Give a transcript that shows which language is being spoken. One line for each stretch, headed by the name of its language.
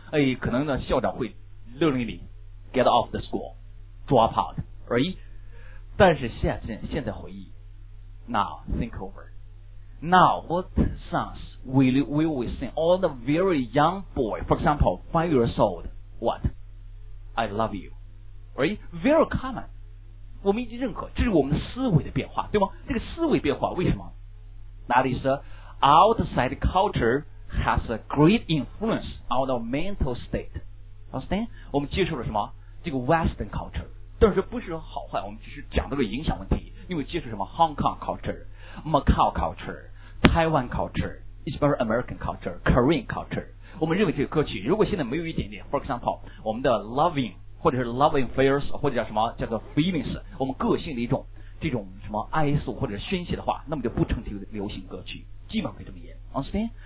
Chinese: 哎，可能呢校长会勒令你
English: get off the school, drop out, right?
Chinese: 但是现在回忆
English: now think over, now what songs will we sing? All the very young boy, for example, 5 years old, what? I love youRight? Very common.
Chinese: 我们已经认可，这是我们的思维的变化，对吗？这个思维变化为什么？
English: That is, outside culture has a great influence on our mental state. Understand?
Chinese: 我们接受了什么？这个
English: Western culture.
Chinese: 但是不是好坏，我们只是讲到了影响问题。因为接受什么？
English: Hong Kong culture, Macau culture, Taiwan culture, especially American culture, Korean culture.
Chinese: 我们认为这个歌曲，如果现在没有一点点，
English: for example,
Chinese: 我们的 loving,或者是
English: love and fears,
Chinese: 或者叫什么叫做 feelings, 我们个性的一种这种什么哀诉或者宣泄的话，那么就不成为流行歌曲，基本可以这么言 understand?